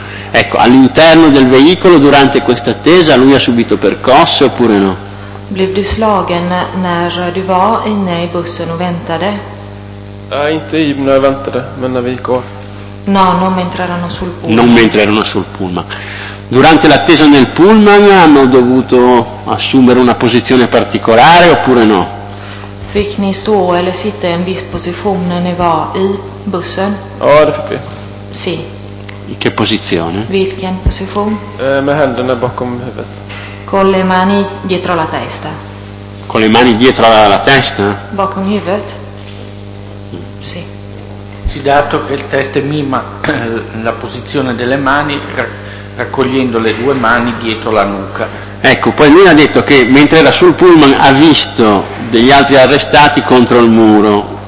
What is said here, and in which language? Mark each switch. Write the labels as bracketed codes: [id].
[it] Ecco, all'interno del veicolo durante questa attesa lui ha subito percosse oppure no? [sv] Blev du slagen när du var inne i bussen och väntade? Inte i, när jag väntade, men när vi gick. [it] No, non mentre erano sul pullman. Non mentre erano sul pullman. Durante l'attesa nel pullman hanno dovuto assumere una posizione particolare oppure no? [sv] Fick ni stå eller sitta i en viss position när ni var i bussen? Ja, det fick vi. [it] Sì. In che posizione? [sv] Vilken position? Med händerna bakom huvudet. [it] Con le mani dietro la testa. Con le mani dietro la testa? [sv] Bakom huvudet. Sì. [it] Sì, dato che il test mima la posizione delle mani, raccogliendo le due mani dietro la nuca. Ecco, poi lui ha detto che mentre era sul pullman ha visto degli altri arrestati contro il muro.